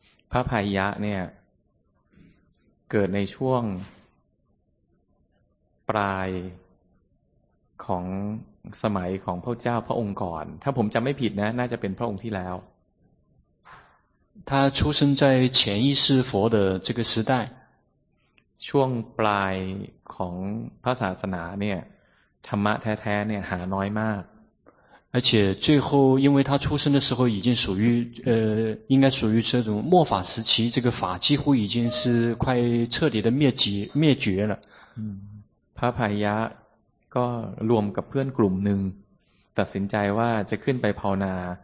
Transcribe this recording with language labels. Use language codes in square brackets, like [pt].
[th] พระพาหิยะเนี่ยเกิดในช่วงปลายของสมัยของพระเจ้าพระองค์ก่อนถ้าผมจำไม่ผิดนะน่าจะเป็นพระองค์ที่แล้ว [zh] 他出生在前一世佛的这个时代 [th] ช่วงปลายของพระศาสนาเนี่ยธรรมะแท้ๆเนี่ยหาน้อยมาก [zh] 而且最后因为他出生的时候已经属于应该属于这种末法时期这个法几乎已经是快彻底的灭绝了 [th] พระพาหิยะก็รวมกับเพื่อนกลุ่มหนึ่งตัดสินใจว่าจะขึ้นไปภาวนา